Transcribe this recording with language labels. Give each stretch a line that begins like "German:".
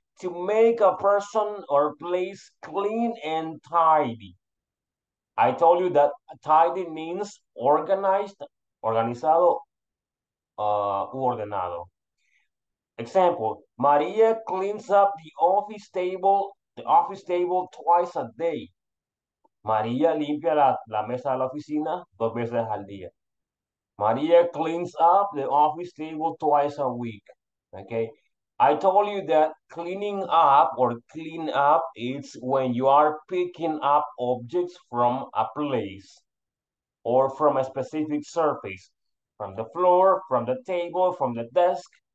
English: To make a person or place clean and tidy. I told you that tidy means organized,
Spanish: organizado, ordenado.
English: Example, Maria cleans up the office table twice a day.
Spanish: Maria limpia la mesa de la oficina dos veces al día.
English: Maria cleans up the office table twice a week. Okay. I told you that cleaning up or clean up is when you are picking up objects from a place or from a specific surface, from the floor, from the table, from the desk.